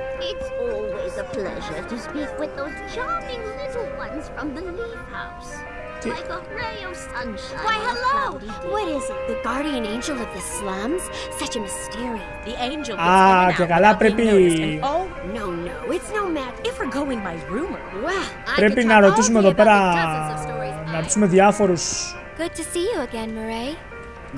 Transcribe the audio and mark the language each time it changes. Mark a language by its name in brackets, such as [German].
[English] It's always a pleasure to speak with those charming little ones from the leaf house. Why, hello! What is it? The guardian angel of the slums? Such a mystery. The angel that's coming out without being noticed. Oh, no, no, it's no matter. If we're going by rumor, well, [Greek] πρέπει να ρωτήσουμε εδώ πέρα, να ρωτήσουμε διάφορους. [English] Good to see you again, Mireille.